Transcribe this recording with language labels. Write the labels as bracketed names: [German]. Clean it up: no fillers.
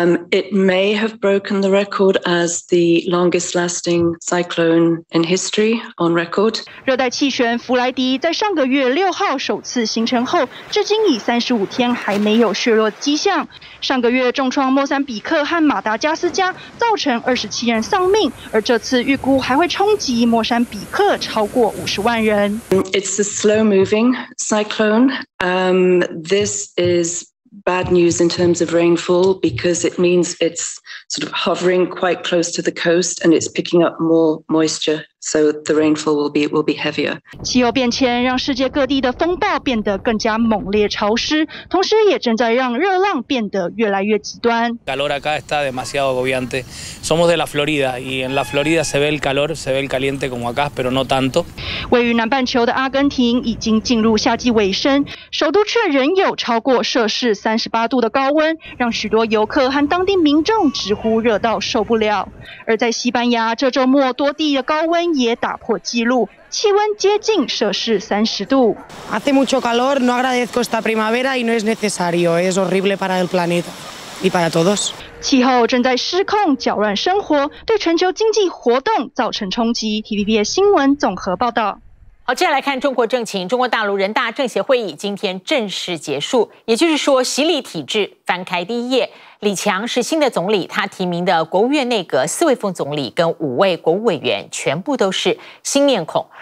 [English] It may have broken the record as the longest lasting cyclone in history on record. [Chinese] 热带气旋弗莱迪在上个月6号首次形成后，至今已35天还没有削弱迹象。上个月重创莫桑比克和马达加斯加，造成27人丧命，而这次预估还会冲击莫桑比克超过50万人。 [English] It's a slow moving cyclone. This is bad news in terms of rainfall because it means it's sort of hovering quite close to the coast and it's picking up more moisture. So the rainfall will be heavier. [Chinese] 气候变迁让世界各地的风暴变得更加猛烈潮湿，同时也正在让热浪变得越来越极端。 [Spanish] Calor acá está demasiado agobiante. Somos de la Florida y en la Florida se ve el calor, se ve el caliente como acá, pero no tanto. [Chinese] 位于南半球的阿根廷已经进入夏季尾声，首都却仍有超过摄氏38度的高温，让许多游客和当地民众直呼热到受不了。而在西班牙，这周末多地的高温也打破纪录，气温接近摄氏30度。 [Spanish] Hace mucho calor, no agradezco esta primavera y no es necesario. Es horrible para el planeta y para todos. [Chinese] 气候正在失控，搅乱生活，对全球经济活动造成冲击。 TVBS 新闻综合报道。好，接下来看中国政情。中国大陆人大政协会议今天正式结束，也就是说，习李体制翻开第一页。李强是新的总理，他提名的国务院内阁四位副总理跟五位国务委员全部都是新面孔。